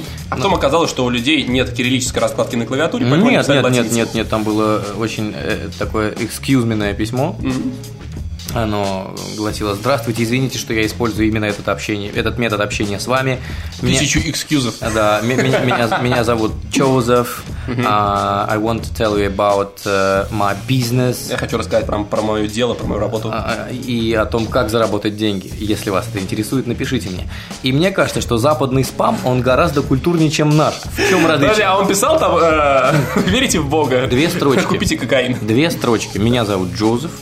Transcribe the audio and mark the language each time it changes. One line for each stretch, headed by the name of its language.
Russian: А потом оказалось, что у людей нет кириллической раскладки на клавиатуре. Нет. Там было очень такое экскьюзменное письмо. Оно гласило: «Здравствуйте, извините, что я использую именно этот, общение, этот метод общения с вами». Тысячу экскьюзов. Да, меня зовут Чозеф.
English: I want to tell you about my business.
Russian: Я хочу рассказать про мое дело, про мою работу. И о том, как заработать деньги. Если вас это интересует, напишите мне. И мне кажется, что западный спам, он гораздо культурнее, чем наш. В чем различие? А он писал там: верите в Бога. Две строчки. Купите кокаин. Две строчки. Меня зовут Джозеф.